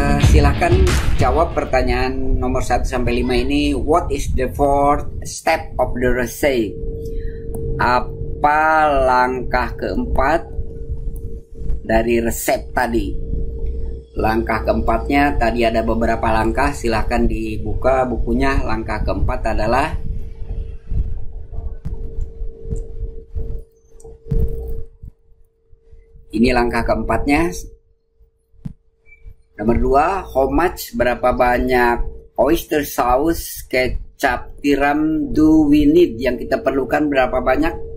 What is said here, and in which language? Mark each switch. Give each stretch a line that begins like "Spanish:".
Indonesian: Silahkan jawab pertanyaan nomor 1 sampai 5 ini.
English: What is the fourth step of the recipe?
Indonesian: Apa langkah keempat dari resep tadi? Langkah keempatnya, tadi ada beberapa langkah, silahkan dibuka bukunya. Langkah keempat adalah ini, langkah keempatnya nomor 2,
English: how much,
Indonesian: berapa banyak oyster sauce, kecap tiram
English: do we need,
Indonesian: yang kita perlukan berapa banyak?